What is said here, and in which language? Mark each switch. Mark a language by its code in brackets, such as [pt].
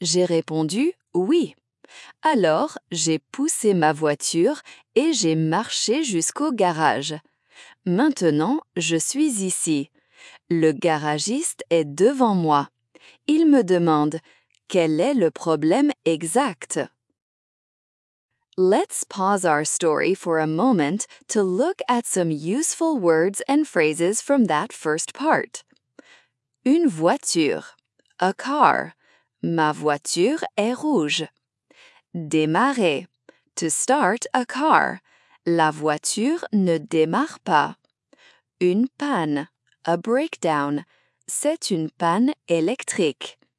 [fr] J'ai répondu, « Oui. » Alors, j'ai poussé ma voiture et j'ai marché jusqu'au garage. Maintenant, je suis ici. Le garagiste est devant moi. Il me demande, « Quel est le problème exact ?» [en] Let's pause our story for a moment to look at some useful words and phrases from that first part. [fr] Une voiture, [en] a car, [fr] ma voiture est rouge. Démarrer, [en] to start a car, [fr] la voiture ne démarre pas. Une panne, [en] a breakdown, [fr] c'est une panne électrique.